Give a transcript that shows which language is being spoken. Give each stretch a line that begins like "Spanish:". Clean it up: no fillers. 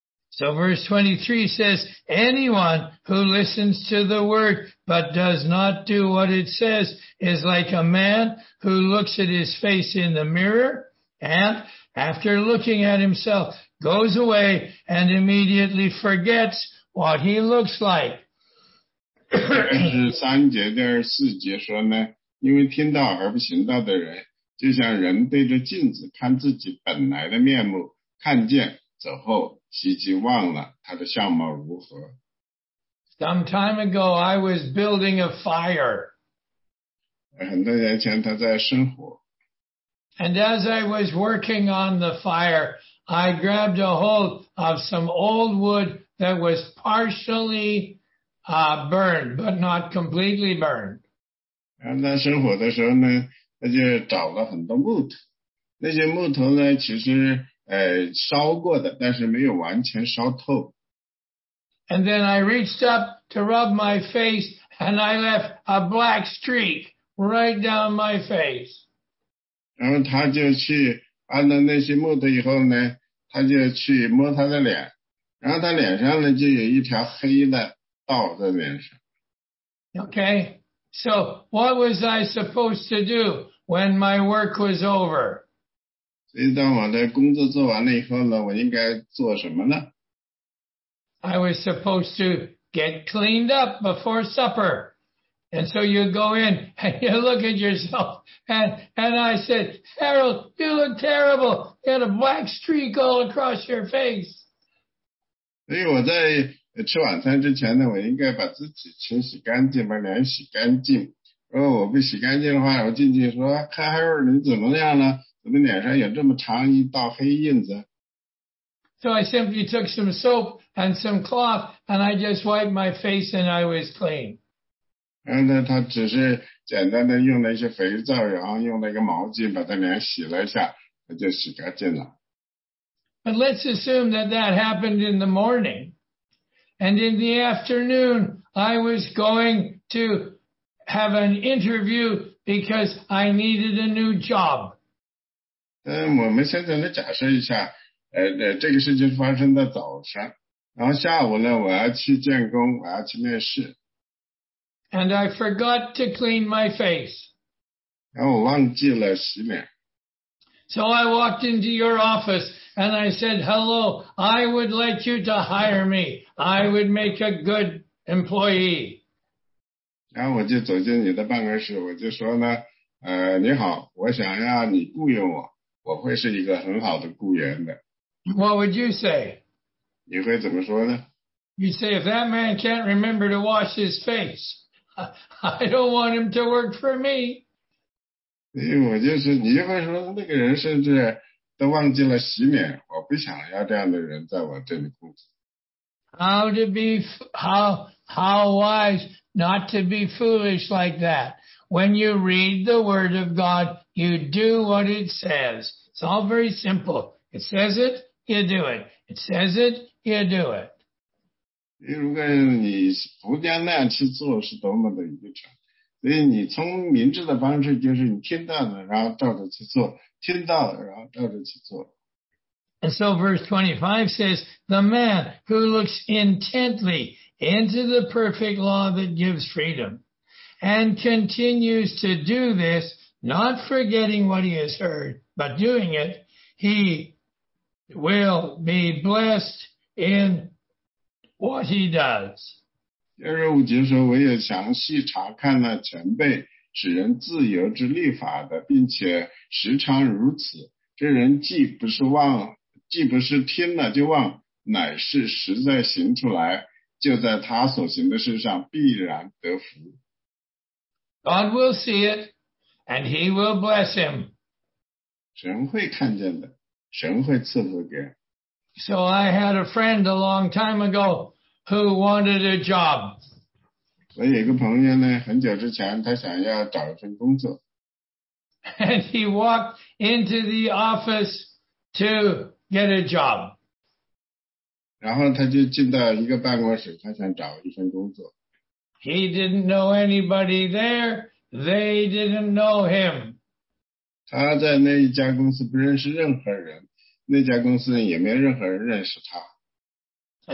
English: So verse 23 says, anyone who listens to the word but does not do what it says is like a man who looks at his face in the mirror and after looking at himself goes away and immediately forgets. What he looks like.
Chinese: 第二十四节说呢，因为听到而不行道的人，就像人对着镜子看自己本来的面目，看见，走后，希吉忘了他的相貌如何。
English: Some time ago, I was building a fire.
Chinese: 很多年前，他在生火。
English: And as I was working on the fire, I grabbed a hold of some old wood that was partially burned, but not completely burned.
Chinese: 在生火的时候呢，他就找了很多木头。那些木头呢，其实烧过的，但是没有完全烧透。
English: And then I reached up to rub my face, and I left a black streak right down my face.
Chinese: 然后他就去按了那些木头以后呢，他就去摸他的脸，然后他脸上呢就有一条黑的道在脸上。
English: Okay, so what was I supposed to do when my work was over?
Chinese: 所以当我的工作做完了以后呢，我应该做什么呢
English: ？I was supposed to get cleaned up before supper, and so you go in and you look at yourself, and I said, Harold, you look terrible. You had a black streak all across your face.
Chinese: 所以我在吃晚餐之前呢，我应该把自己清洗干净，把脸洗干净。如果我不洗干净的话，我进去说，看 Harold 你怎么样呢？怎么脸上有这么长一道黑印子
English: ？So I simply took some soap and some cloth, and I just wiped my face, and I was clean.
Chinese: 然后呢，他只是简单的用了一些肥皂，然后用了一个毛巾把他脸洗了一下，他就洗干净了。
English: But let's assume that that happened in the morning, and in the afternoon, I was going to have an interview because I needed a new job.
Chinese: 我们现在来假设一下这个事情发生在早上。然后下午呢我要去见工我要去面试。
English: And I forgot to clean my face.
Chinese: 然后我忘记了洗脸。
English: So I walked into your office and I said, hello, I would like you to hire me. I would make a good employee.
Chinese: 然后我就走进你的办公室我就说呢你好我想要你雇佣我。我会是一个很好的雇员的。
English: What would you say?
Chinese: 你会怎么说呢
English: ？You'd say if that man can't remember to wash his face, I don't want him to work for me.
Chinese: 我就是你会说那个人甚至都忘记了洗脸，我不想要这样的人在我这里工作。
English: How to be how wise not to be foolish like that. When you read the word of God, you do what it says. It's all very simple. It says it, you do it. It says it, you do it.
Chinese: 如果你不将那样去做是多么的愚蠢。所以你聪明智的方式就是你听到的然后照着去做。听到的然后照着去做。
English: And so verse 25 says, the man who looks intently into the perfect law that gives freedom. And continues to do this, not forgetting what he has heard, but doing it, he will be blessed in what he does.
Chinese: 第二五节说，我也详细查看了前辈使人自由之律法的，并且时常如此。这人既不是忘，既不是听了就忘，乃是实在行出来，就在他所行的事上必然得福。
English: God will see it, and he will bless him.
Chinese: 神会看见的，神会赐福给。
English: So I had a friend a long time ago who wanted a job.
Chinese: 我有一个朋友呢，很久之前他想要找一份工作。
English: And he walked into the office to get a job.
Chinese: 然后他就进到一个办公室，他想找一份工作。
English: He didn't know anybody there. They didn't know him.
Chinese: 他在那一家公司不认识任何人，那家公司也没任何人认识他。